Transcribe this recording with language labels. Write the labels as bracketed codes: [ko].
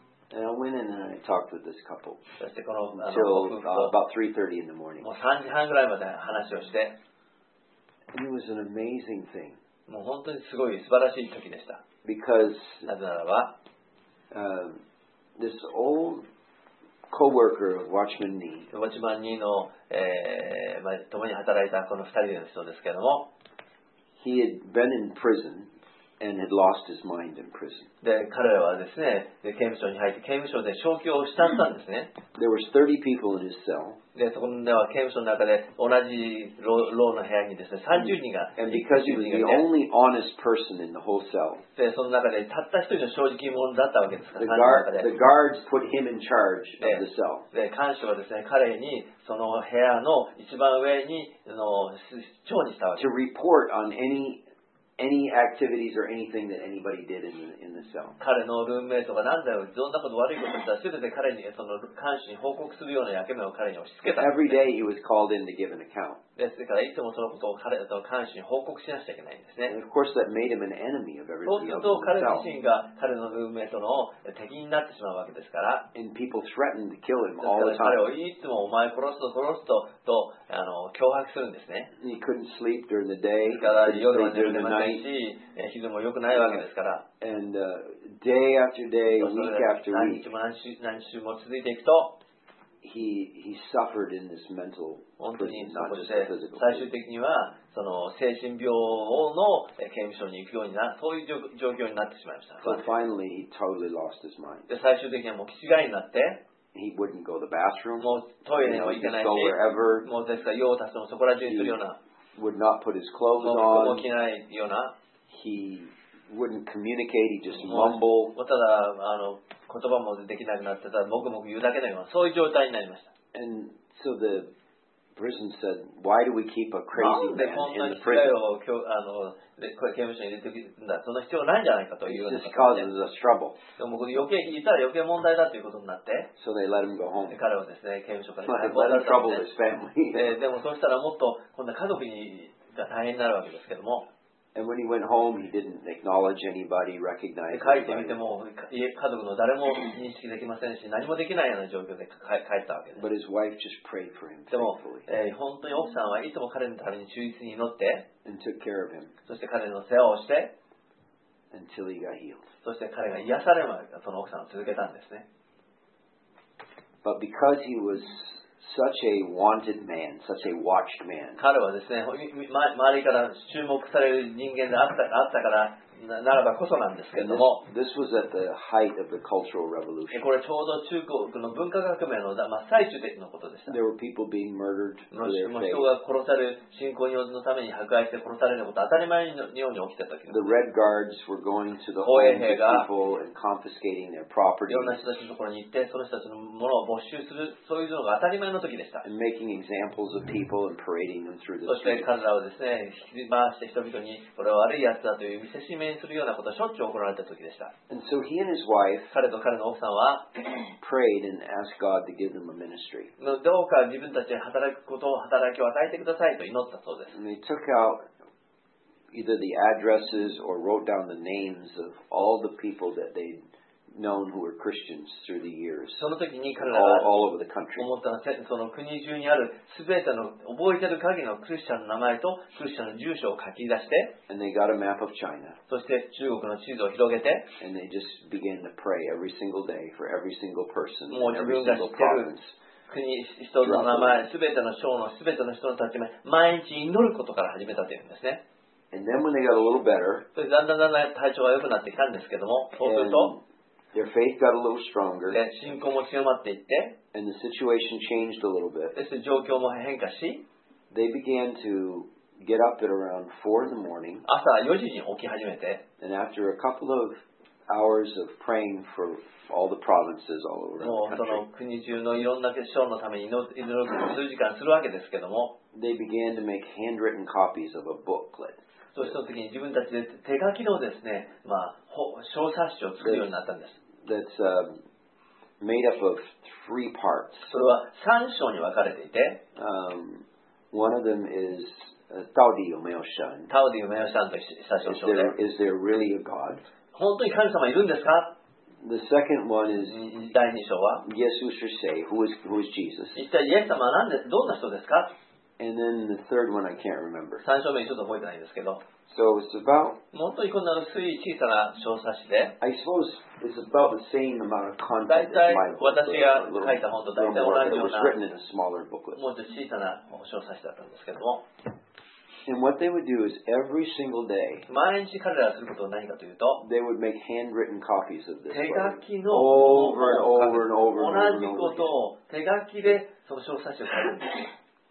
[en] And I went in and I talked with this couple until about 3:30 in the morning. [ja] もう3時半ぐらいまで話をして。 [en] And it was an amazing thing. [ja] もう本当にすごい素晴らしい時でした。 [en] Because, [ja] なぜならば、 [en] this old coworker of Watchman Nee、 [ja] ワッチマン・ニーの、まあ、共に働いたこの二人の人ですけれども、 [en] He had been in prison and had lost his mind in prison. [ja] で、彼らはですね、刑務所に入って、刑務所で消去をしちゃったんですね。 [en] There was 30 people in his cell. [ja] で、そこでは刑務所の中で同じ牢の部屋にですね、30人が。 [en] And because he was the only honest person in the whole cell. [ja] で、その中でたった一人の正直者だったわけですから、 30人の中で。 [en] The guards put him in charge of the cell. [ja] で、監視はですね、彼にその部屋の一番上に、長にしたわけです [en] To report on any activities or anything that anybody did in the cell. [ja] 彼のルームメイトが何だよ、どんなこと悪いことしたら、すべて彼に、その監視に報告するような役目を彼に押し付けた。 [en] Every day he was called in to give an account. [ja] ですから、いつもそのことを彼と監視に報告しなくちゃいけないんですね。 [en] And of course that made him an enemy of everybody else. [ja] そうすると、彼自身が彼のルームメイトの敵になってしまうわけですから。 [en] And people threatened to kill him all the time. [ja] 彼をいつもお前殺すと殺すと、と脅迫するんですね。 [en] He couldn't sleep during the day. [ja] だから夜は寝れない。日でも良くないわけですから。 [en] And day after day, week after week, [ja] 何週も続いていくと、 [en] he suffered in this mental prison, not just [ja] 最終的にはその精神病の刑務所に行くようになそういう状況になってしまいました。 [en] So finally, he totally lost his mind. [ja] で最終的にはもう気違いになって。 [en] He wouldn't go to the bathroom. [ja] もうトイレにも行けないし。 [en] You know, he'd go wherever. [ja] もうですから用を足してもそこら中にするような。 [en] Would not put his clothes on. [ja] もう着ないような。 [en] He wouldn't communicate. He just mumble. [ja] もうただ言葉もできなくなってただ黙々言うだけのようなそういう状態になりました。 [en] And so the prison said, "Why do we keep a crazy man in the prison?" [ja] なんでこんな人を刑務所に入れているんだ。その必要ないんじゃないかというような。 [en] This causes us trouble. [ja] でも余計言ったら余計問題だということになって。 [en] So they let him go home. [ja] 彼はですね刑務所から出られたんで。 [en] Trouble his family. [ja] でもそうしたらもっと今度は家族にが大変になるわけですけども。 [en] And when he went home, he didn't acknowledge anybody, recognize anybody. [ja] 帰ってみても家族の誰も認識できませんし、何もできないような状況で帰ったわけです。 [en] But his wife just prayed for him. [ja] でも、本当に奥さんはいつも彼のために忠実に祈って、 [en] and took care of him. [ja] そして彼の世話をして、 [en] until he got healed. [ja] そして彼が癒されまでその奥さんを続けたんですね。 [en] But because he was such a wanted man, such a watched man. [ja] 彼はですね、周りから注目される人間であったからならばこそなんですけれども、 [en] this was at the height of the cultural revolution. [ja] これちょうど中国の文化革命の真っ最中のことでした。 [en] There were people being murdered for their faith. [ja] 人が殺される信仰によるのために迫害して殺されること当たり前のように起きてた時です。 [en] The Red Guards were going to the homes of people and confiscating their property. [ja] いろんな人たちのところに行ってその人たちのものを没収するそういうのが当たり前の時でした。 [en] And making examples of people and parading them through the streets. [ja] そして彼らをですね引き回して人々にこれは悪いやつだという見せしめするようなことはしょっちゅう起こられた時でした。 [en] And so he and his wife [ja] 彼と彼の奥さんは [en] prayed and asked God to give them a ministry. [ja] どうか自分たちに働くことを働きを与えてくださいと祈ったそうです。 [en] And they took out either the addresses or wrote down the names of all the people that they'd known who were Christians through the years. [ja] その時に彼らは [en] all over the country. [ja] 思ったのその国中にあるすべての覚えてる限りのクリスチャンの名前とクリスチャンの住所を書き出して [en] And they got a map of China. [ja] そして中国の地図を広げて [en] And they just began to pray every single day for every single person [ja] もう自分が知ってる国人の名前すべての省のすべての人の立ち前毎日祈ることから始めたというんですね。 [en] And then when they got a little better [ja] そしてだんだん体調が良くなってきたんですけどもそうすると [en] Their faith got a little stronger. [ja] 信仰も強まっていって。 [en] And the situation changed a little bit. [ja] 状況も変化し。 [en] They began to get up at around 4 in the morning. [ja] 朝4時に起き始めて。 [en] And after a couple of hours of praying for all the provinces all over the country. [ja] もうその国中のいろんな省のために祈る数時間するわけですけども。 [en] They began to make handwritten copies of a booklet. [ja] そうした時に自分たちで手書きのですね、まあ、小冊子を作るようになったんです。 [en] That's made up of three parts. [ja] それは三章に分かれていて、 [en] one of them is Taodi Umeoshan. [ja] Taodi Umeoshan と最初の章で。 [en] Is there really a God? [ja] 本当に神様いるんですか？ [en] The second one is [ja] 第二章は [en] Yesus Christ. Who is Jesus? [ja] 一体イエス様は何です？どんな人ですか？ [en] And then the third one I can't remember. [ja] 3章目ちょっと覚えてないんですけど。 [en] So it's about. [ja] 本当にこんな薄い小さな小冊子で。 [en] I suppose it's about the same amount of content as my book. [ja] 大体私が書いた本と大体同じような。 [en] It was written in a smaller booklet. [ja] もうちょっと小さな小冊子だったんですけども。 [en] And what they would do is every single day, [ja] 毎日彼らがすることは何かというと、 [en] they would make handwritten copies of this [ja] 手書きの [en] over and over and over and over [ja] 同じことを手書きでその小冊子を書くんです。